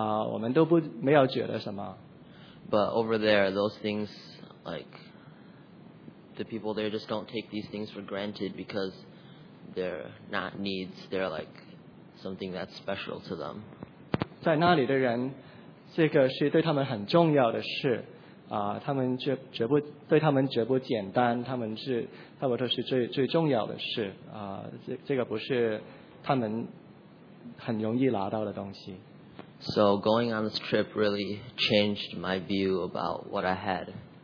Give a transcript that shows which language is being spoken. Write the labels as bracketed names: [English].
[Chinese] 我们在这里拥有的我们的衣服，我们的教育，我们的住宅，我们都没有觉得什么。 [English] But over there, those things, like the people there, just don't take these things for granted because they're not needs. They're like something that's special to them. [Chinese] 在那里的人，这个是对他们很重要的事啊。他们绝不对他们绝不简单，他们是差不多是最重要的事啊。这个不是他们很容易拿到的东西。 [English] So going on this trip really changed my view about what I had.